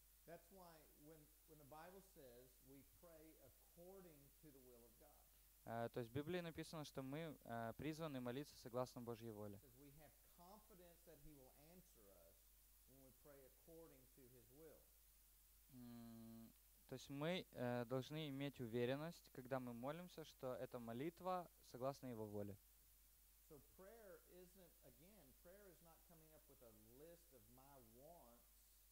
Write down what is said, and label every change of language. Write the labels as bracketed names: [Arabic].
[English] That's why when the Bible says we pray according to the will of God. [Russian] То есть в Библии написано, что мы призваны молиться согласно Божьей воле. [English] We have confidence that He will answer us when we pray according to His will. [Russian] То есть мы должны иметь уверенность, когда мы молимся, что эта молитва согласна Его воле. [English] So prayer isn't, again, prayer is not coming up with a list of my wants.